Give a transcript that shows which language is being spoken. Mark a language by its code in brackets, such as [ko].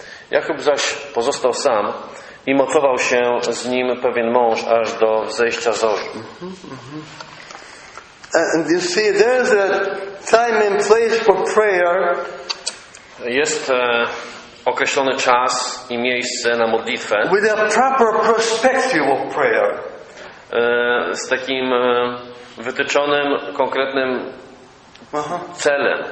[pl] Jakub zaś pozostał sam i mocował się z nim pewien mąż aż do wzejścia zorzy. [en] And you see, there's a time and place for prayer. [pl] Jest określony czas i miejsce na modlitwę. [en] With a proper perspective of prayer. [pl] Z takim wytyczonym, konkretnym celem.